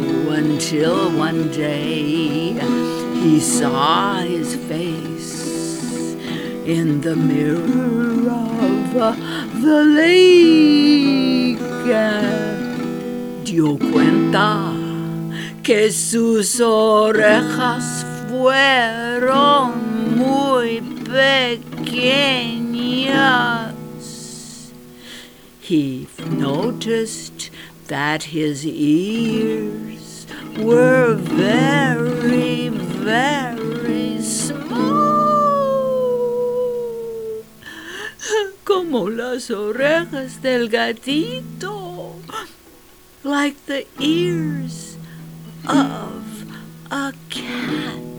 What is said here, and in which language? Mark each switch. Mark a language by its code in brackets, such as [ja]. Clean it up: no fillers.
[en] Until one day he saw his face in the mirror of the lake. [es] Dio cuenta que sus orejas fueron muy pequeñas. [en] He noticed that his ears were very, very small, [es] como las orejas del gatito, [en] like the ears of a cat.